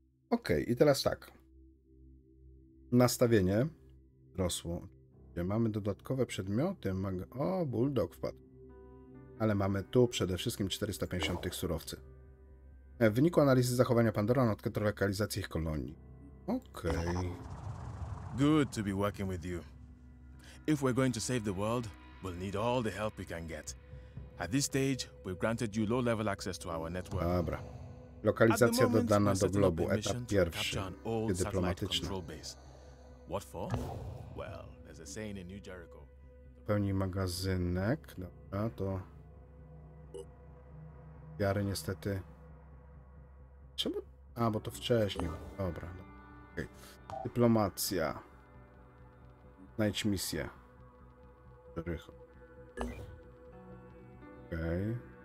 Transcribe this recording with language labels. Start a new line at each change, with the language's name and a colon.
Polish: Ok, i teraz tak. Nastawienie rosło. Mamy dodatkowe przedmioty. O, bulldog wpadł. Ale mamy tu przede wszystkim 450 tych surowcy. W wyniku analizy zachowania Pandora odkryto lokalizację ich kolonii. Ok.
English: Good to be working with you. If we're going to save the world, we'll need all the help we can get. At this stage, we've granted you low level access to our network.
Polish: Dobra. Lokalizacja dodana do globu, etap pierwszy, dyplomatyczny.
English: What for? Well, there's a saying in New Jericho.
Polish: Pełni magazynek, dobra, to... Wiary niestety... Czemu? A, bo to wcześniej, dobra. Okay. Dyplomacja. Znajdź misję. Jericho. Okej. Okay.